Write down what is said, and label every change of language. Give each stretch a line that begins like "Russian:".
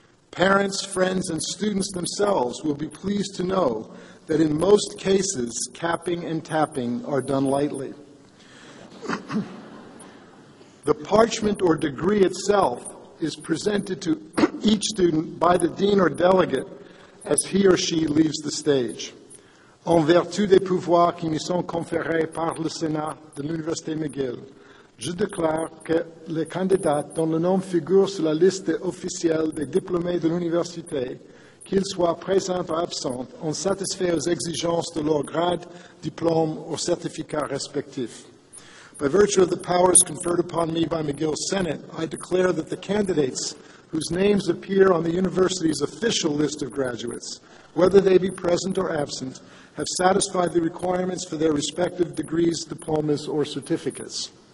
English: Parents, friends, and students themselves will be pleased to know that in most cases, capping and tapping are done lightly. The parchment or degree itself is presented to each student by the dean or delegate as he or she leaves the stage.
French: En vertu des pouvoirs qui me sont conférés par le Sénat de l'Université McGill, je déclare que les candidats dont le nom figure sur la liste officielle des diplômés de l'Université, qu'ils soient présents ou absents, ont satisfait aux exigences de leur grade, diplôme ou certificat respectif.
English: By virtue of the powers conferred upon me by McGill's Senate, I declare that the candidates whose names appear on the University's official list of graduates, whether they be present or absent, have satisfied the requirements for their respective degrees, diplomas, or certificates.